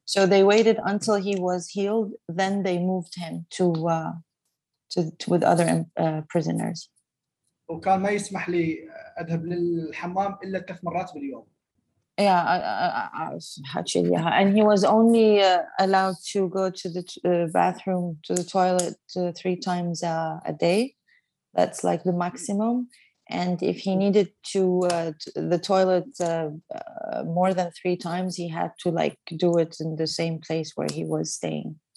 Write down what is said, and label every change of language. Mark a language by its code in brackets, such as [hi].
[en] So they waited until he was healed, then they moved him to with other prisoners. [ar] وكان ما يسمح لي أذهب للحمام إلا 3 مرات باليوم. [en] Yeah, and he was only allowed to go to the bathroom, to the toilet 3 times a day. That's like the maximum. And if he needed to the toilet more than 3 times, he had to like do it in the same place where he was staying.